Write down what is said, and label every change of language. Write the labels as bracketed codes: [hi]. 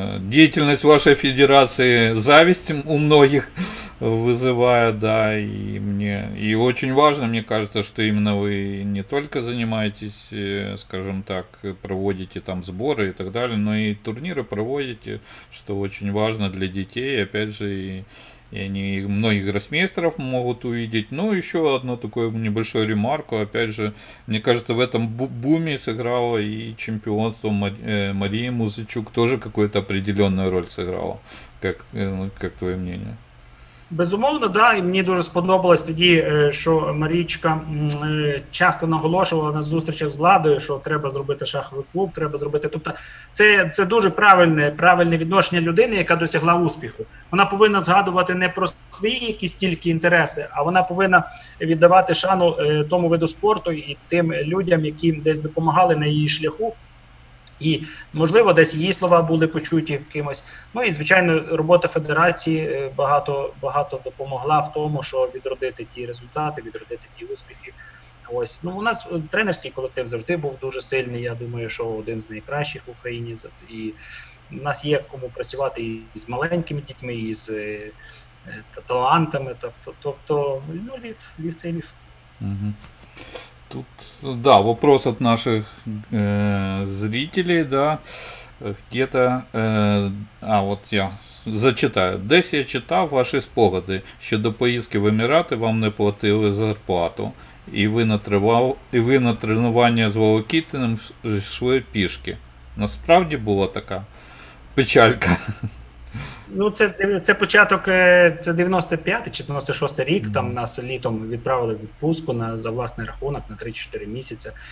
[ru] деятельность вашей федерации зависть у многих вызывает, да, и мне, и очень важно, мне кажется, что именно вы не только занимаетесь, скажем так, проводите там сборы и так далее, но и турниры проводите, что очень важно для детей, опять же, и они и многих гроссмейстеров могут увидеть. Ну, еще одну такую небольшую ремарку, опять же, мне кажется, в этом буме сыграло и чемпионство Марии Музычук, тоже какую-то определенную роль сыграло, как твое мнение? [uk] Безумовно, да, і мені дуже сподобалось тоді, що Марічка часто наголошувала на зустрічах з владою, що треба зробити шаховий клуб, треба зробити. Тобто це дуже правильне відношення людини, яка досягла успіху. Вона повинна згадувати не про свої якісь тільки інтереси, а вона повинна віддавати шану тому виду спорту і тим людям, які десь допомагали на її шляху. І, можливо, десь її слова були почуті кимось. Ну і, звичайно, робота федерації багато допомогла в тому, що відродити ті результати, відродити ті успіхи. Ось, ну, у нас тренерський колектив завжди був дуже сильний. Я думаю, що один з найкращих в Україні. І у нас є кому працювати і з маленькими дітьми, і з талантами. Тобто, ну, Львів це Львів. [ru] Тут, да, вопрос от наших зрителей, да, где-то, а вот я зачитаю. [uk] Десь я читав ваші спогади, що до поїздки в Емірати вам не платили зарплату, і ви на тренування з Волокітиним йшли пішки. Насправді була така печалька? Ну, це початок, це 95-й чи 96-й рік, там нас літом відправили в відпустку за власний рахунок на 3-4 місяці.